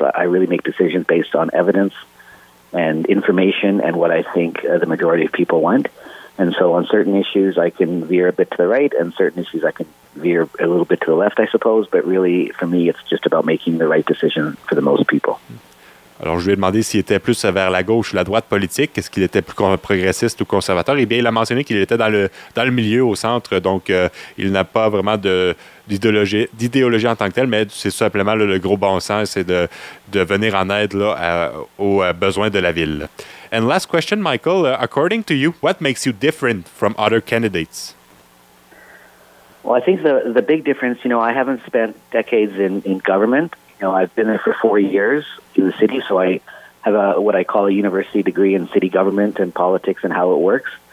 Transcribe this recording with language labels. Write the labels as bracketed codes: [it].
[en] I really make decisions based on evidence and information and what I think the majority of people want. And so on certain issues, I can veer a bit to the right, and certain issues I can veer a little bit to the left, I suppose. But really, for me, it's just about making the right decision for the most people. [fr] Alors, je lui ai demandé s'il était plus vers la gauche ou la droite politique, est-ce qu'il était plus progressiste ou conservateur. Eh bien, il a mentionné qu'il était dans le milieu, au centre, donc il n'a pas vraiment d'idéologie en tant que telle, mais c'est simplement le gros bon sens, c'est de venir en aide là, aux besoins de la ville. [en] And last question, Michael, according to you, what makes you different from other candidates? Well, I think the big difference, you know, I haven't spent decades in government. You know, I've been there for 4 years in the city, so I have what I call a university degree in city government and politics and how it works.